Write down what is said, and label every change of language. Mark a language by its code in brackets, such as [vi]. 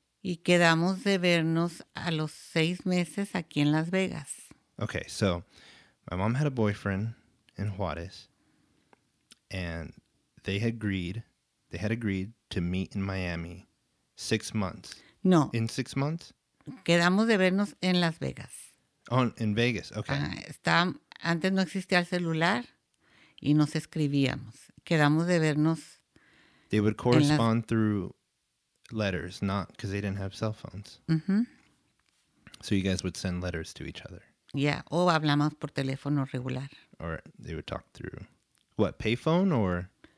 [es] Y quedamos de vernos a los 6 meses aquí en Las Vegas. [en] Okay, so my mom had a boyfriend in Juárez, and they had agreed to meet in Miami 6 months. [es] No. [en] In 6 months? [es] quedamos de vernos en Las Vegas. En Vegas, okay. Antes no existía el celular y nos escribíamos. Quedamos de vernos. [en] They would correspond through letters, not because they didn't have cell phones. So you guys would send letters to each other. [es] Yeah, o hablamos por teléfono regular. [en] Or they would talk through, what, payphone or?